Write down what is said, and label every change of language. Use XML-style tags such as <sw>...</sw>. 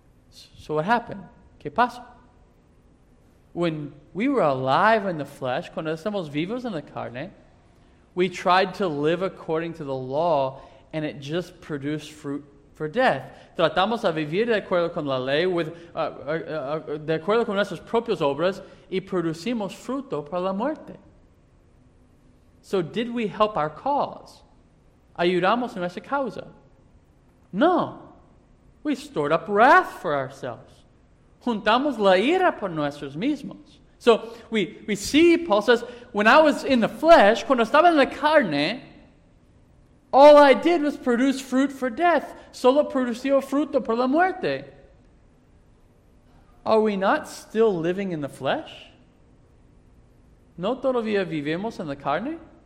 <en>So what happened?</en> <es>¿Qué pasó?</es> <en>When we were alive in the flesh,</en> <es>cuando estamos vivos en la carne,</es> <en>we tried to live according to the law, and it just produced fruit for death.</en> <es>Tratamos a vivir de acuerdo con la ley, de acuerdo con nuestras propias obras, y producimos fruto para la muerte.</es> <en>So did we help our cause?</en> <es>¿Ayudamos nuestra causa?</es> <en>No. We stored up wrath for ourselves.</en> <es>Juntamos la ira por nuestros mismos.</es> <en>So we see, Paul says, when I was in the flesh,</en> <es>cuando estaba en la carne,</es> <en>all I did was produce fruit for death.</en> <es>Solo producía fruto por la muerte.</es> <en>Are we not still living in the flesh?</en> <es>¿No todavía vivimos en la carne?</es>